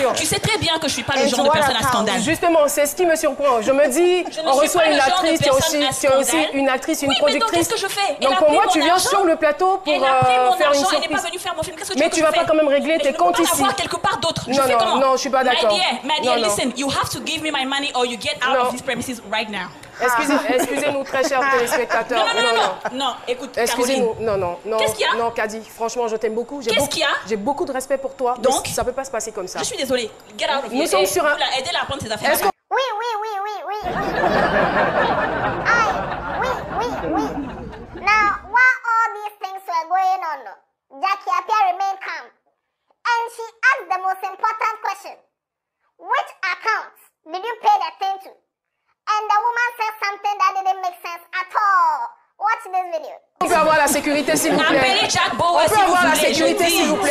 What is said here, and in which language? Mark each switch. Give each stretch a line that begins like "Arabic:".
French: Tu sais très bien que je suis pas le genre de personne à scandale. Justement, c'est ce qui me surprend. Je me dis, on reçoit une actrice, tu es aussi une actrice, une productrice. Mais donc, qu'est-ce que je fais? Donc, pour moi, tu viens sur le plateau pour faire une surprise. Elle a pris mon argent, elle n'est pas venue faire mon film. Qu'est-ce que tu... Mais tu vas pas quand même régler tes comptes ici. Je ne peux pas l'avoir quelque part d'autre. Je fais comment? Non, je suis pas d'accord.
English: My dear, listen, you have to give me my money or you get out of these premises right now.
French: Excusez-nous, très chers téléspectateurs. Non, écoute, excusez-nous. Non. Qu'est-ce qu'il y a? Non, Kadi, franchement, je t'aime beaucoup. J'ai beaucoup de respect pour toi. Donc, ça peut pas se passer comme ça. Je suis désolée.
English: Get out of here.
French: Nous sommes sur un... Aidez-la à prendre ses affaires. Oui. Oui.
English: Now, while all these things were going on, Jackie Appiah remained calm. And she asked the most important question. Which account did you pay the thing to? And the woman said something that didn't make sense at all. Watch this video.
French: On peut avoir la sécurité, s'il vous plaît. Appelez Jack Bauer, s'il vous plaît. On peut avoir la sécurité, s'il vous plaît.